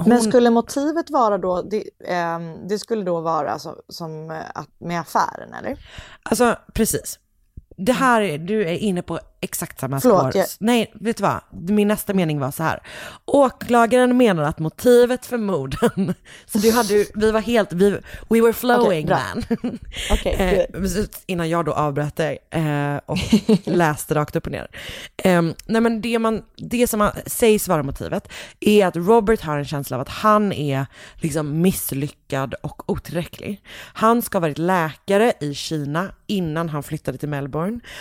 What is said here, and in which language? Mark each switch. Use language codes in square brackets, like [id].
[sv] Men skulle motivet vara då, det skulle då vara så, som att med affären, eller? Alltså, precis. Det här, du är inne på exakt samma spår. Nej, vet du vad? Min nästa mening var så här. Åklagaren menar att motivet för morden... Så du hade, vi var helt... [en] We were flowing, okay, man. Okay, [sv] innan jag då avbröt dig och läste rakt upp och ner. Nej, men det som sägs vara motivet är att Robert har en känsla av att han är liksom misslyckad och otillräcklig. Han ska ha varit läkare i Kina innan han flyttade till Melbourne.